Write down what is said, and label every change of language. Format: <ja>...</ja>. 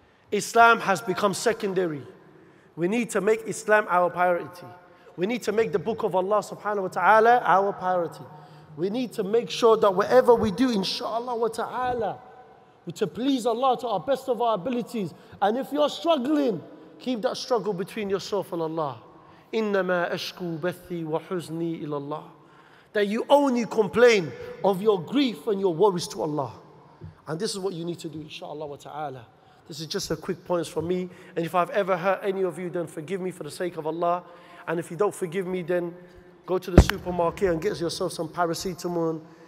<en>Islam has become secondary. We need to make Islam our priority. We need to make the book of Allah subhanahu wa ta'ala our priority. We need to make sure that whatever we do, inshallah wa ta'ala, to please Allah to our best of our abilities. And if you're struggling, keep that struggle between yourself and Allah.</en> <ar>إنما أشكو بثي وحزني إلى الله.</ar> <en>That you only complain of your grief and your worries to Allah. And this is what you need to do, inshallah wa ta'ala. This is just a quick point from me. And if I've ever hurt any of you, then forgive me for the sake of Allah. And if you don't forgive me, then go to the supermarket and get yourself some paracetamol.</en>